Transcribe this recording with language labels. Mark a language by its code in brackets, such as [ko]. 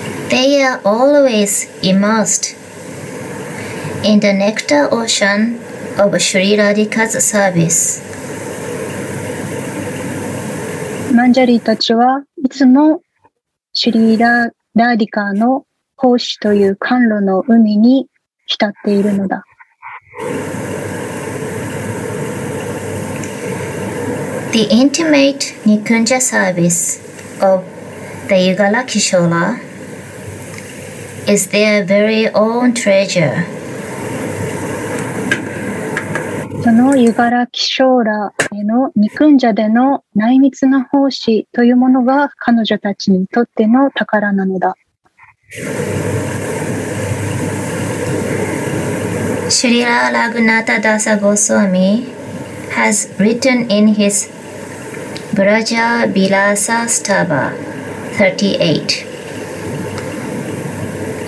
[en] They are always immersed in the nectar ocean of Sri Radhika's service。 [ja] マンジャリーたちはいつもシュリーラーディカの奉仕という甘露の海に浸っているのだ。 [en] The intimate Nikunja service of the Yugala Kishora is their very own treasure. [ja] そのユガラキショーラへのニクンジャでの内密な奉仕というものが彼女たちにとっての宝なのだ。 [en] シュリラ・ラグナタ・ダサ・ゴスワミ has written in hisブラジャービラーサースタバ38。